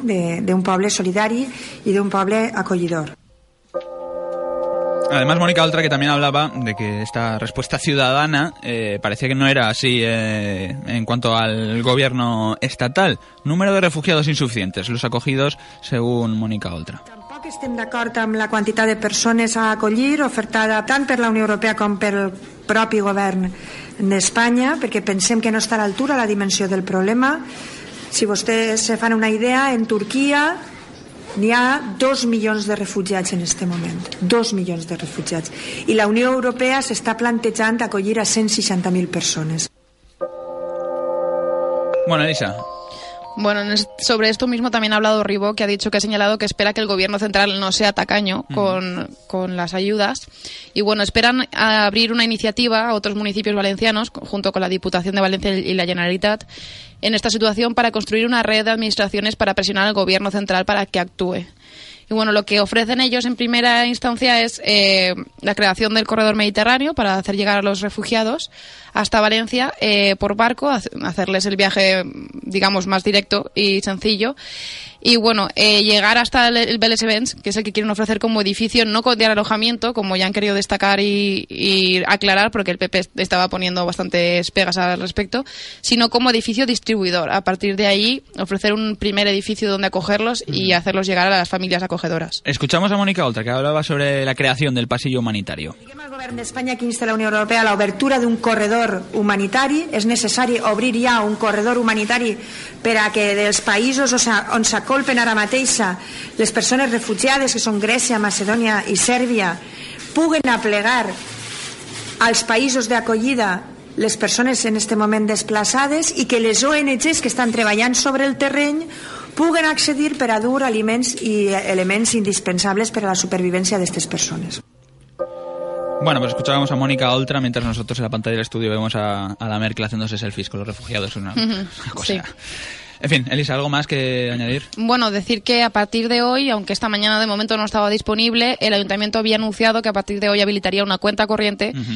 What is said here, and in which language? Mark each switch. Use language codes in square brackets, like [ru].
[ca] d'un poble solidari i d'un poble acollidor. [es] Además, Mónica Oltra, que también hablaba de que esta respuesta ciudadana parecía que no era así en cuanto al gobierno estatal. Número de refugiados insuficientes, los acogidos, según Mónica Oltra. [ca] Tampoc estem d'acord amb la quantitat de persones a acollir ofertada tant per la Unió Europea com pel propi govern d'Espanya, perquè pensem que no està a l'altura la dimensió del problema. Si vostès se fan una idea, en Turquia n'hi ha 2 milions de refugiats en este moment, 2 milions de refugiats. I la Unió Europea s'està plantejant acollir a 160.000 persones. [es] Bueno, Elisa. Bueno, sobre esto mismo también ha hablado Ribó, que ha dicho que ha señalado que espera que el gobierno central no sea tacaño con las ayudas. Y bueno, esperan abrir una iniciativa a otros municipios valencianos, junto con la Diputación de Valencia y la Generalitat, en esta situación para construir una red de administraciones para presionar al gobierno central para que actúe. Y bueno, lo que ofrecen ellos en primera instancia es la creación del corredor mediterráneo para hacer llegar a los refugiados hasta Valencia por barco, hacerles el viaje, digamos, más directo y sencillo. Y bueno, llegar hasta el Belles Events, que es el que quieren ofrecer como edificio, no de alojamiento, como ya han querido destacar y aclarar, porque el PP estaba poniendo bastantes pegas al respecto, sino como edificio distribuidor. A partir de ahí, ofrecer un primer edificio donde acogerlos y hacerlos llegar a las familias acogedoras. Escuchamos a Mónica Oltra, que hablaba sobre la creación del pasillo humanitario. El gobierno de España que insta a la Unión Europea a la obertura de un corredor humanitario. Es necesario abrir ya un corredor humanitario para que de los países donde se [ca] acolpen ara mateixa les persones refugiades, que són Grècia, Macedònia i Sèrbia, puguen aplegar als països d'acollida les persones en este moment desplaçades i que les ONGs que estan treballant sobre el terreny puguen accedir per a dur aliments i elements indispensables per a la supervivència d'aquestes persones. [es] Bueno, pues escuchábamos a Mónica Oltra mientras nosotros en la pantalla del estudio vemos a la Merkel haciéndose selfies con los refugiados. Una cosa... Sí. En fin, Elisa, ¿algo más que añadir? Bueno, decir que a partir de hoy, aunque esta mañana de momento no estaba disponible, el ayuntamiento había anunciado que a partir de hoy habilitaría una cuenta corriente